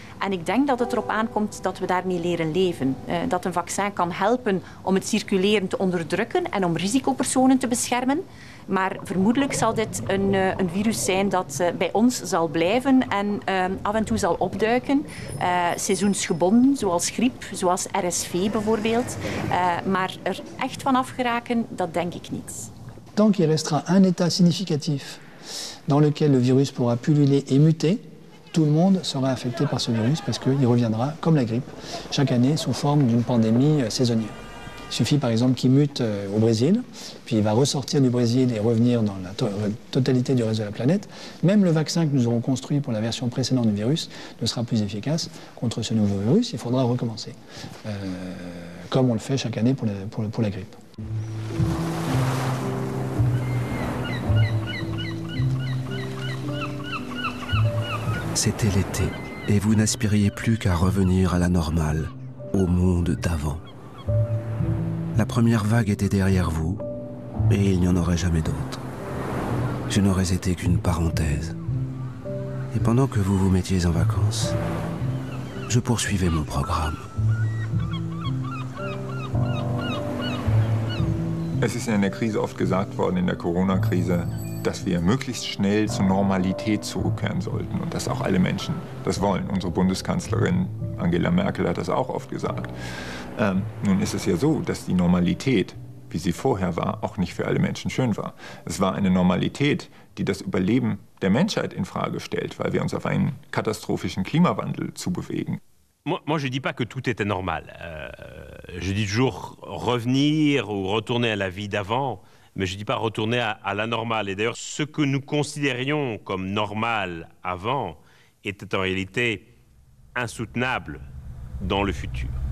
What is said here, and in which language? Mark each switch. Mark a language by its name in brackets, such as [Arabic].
[Dutch] En ik denk dat het erop aankomt dat we daarmee leren leven. Dat een vaccin kan helpen om het circuleren te onderdrukken en om risicopersonen te beschermen. Maar vermoedelijk zal dit een virus zijn dat bij ons zal blijven en af en toe zal opduiken. Seizoensgebonden, zoals griep, zoals RSV bijvoorbeeld. Maar er echt van afgeraken, dat denk ik niet. [French] Tant qu'il restera un état significatif dans lequel le virus pourra pulluler et muter, tout le monde sera infecté par ce virus parce qu'il reviendra, comme la grippe, chaque année sous forme d'une pandémie saisonnière. Il suffit par exemple qu'il mute au Brésil, puis il va ressortir du Brésil et revenir dans la totalité du reste de la planète. Même le vaccin que nous aurons construit pour la version précédente du virus ne sera plus efficace contre ce nouveau virus. Il faudra recommencer, comme on le fait chaque année pour la grippe. C'était l'été et vous n'aspiriez plus qu'à revenir à la normale, au monde d'avant. La première vague était derrière vous, et il n'y en aurait jamais d'autre. Je n'aurais été qu'une parenthèse. Et pendant que vous vous mettiez en vacances, je poursuivais mon programme. [German] Es ist in der Krise oft gesagt worden, in der Corona-Krise, dass wir möglichst schnell zur Normalität zurückkehren sollten und dass auch alle Menschen das wollen. Unsere Bundeskanzlerin Angela Merkel hat das auch oft gesagt. Nun ist es ja so, dass die Normalität, wie sie vorher war, auch nicht für alle Menschen schön war. Es war eine Normalität, die das Überleben der Menschheit in Frage stellt, weil wir uns auf einen katastrophischen Klimawandel zubewegen. [French] Moi, je dis pas que tout était normal. Je dis toujours revenir ou retourner à la vie d'avant, mais je dis pas retourner à la normale. Et d'ailleurs, ce que nous considérions comme normal avant était en réalité insoutenable dans le futur.